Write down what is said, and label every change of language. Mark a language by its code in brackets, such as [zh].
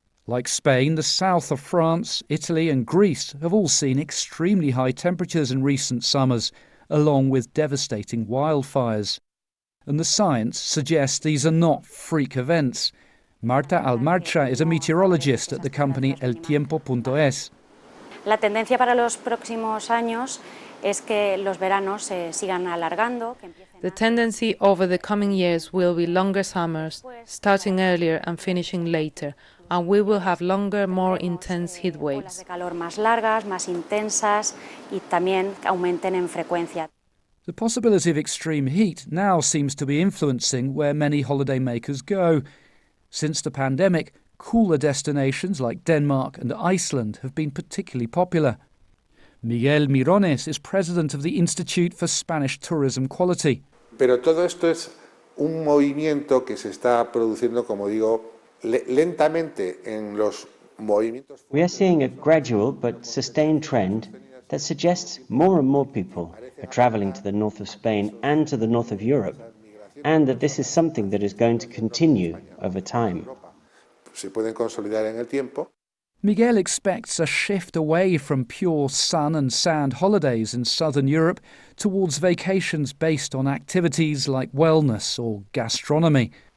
[en] Like Spain, the south of France, Italy and Greece have all seen extremely high temperatures in recent summers, along with devastating wildfires. And the science suggests these are not freak events. Marta Almarcha is a meteorologist at the company El Tiempo.es. [es] La tendencia para los próximos años es que los veranos se sigan alargando. [en] The tendency over the coming years will be longer summers, starting earlier and finishing later, and we will have longer, more intense heat waves. [es] Olas de calor más largas, más intensas, y también aumenten en frecuencia. [en] The possibility of extreme heat now seems to be influencing where many holidaymakers go. Since the pandemic, cooler destinations like Denmark and Iceland have been particularly popular. Miguel Mirones is president of the Institute for Spanish Tourism Quality. [es] Pero todo esto es un movimiento que se está produciendo, como digo, lentamente en los movimientos. [en] We are seeing a gradual but sustained trend that suggests more and more people are traveling to the north of Spain and to the north of Europe, and that this is something that is going to continue over time. [es] Se pueden consolidar en el tiempo. [en] Miguel expects a shift away from pure sun and sand holidays in southern Europe towards vacations based on activities like wellness or gastronomy.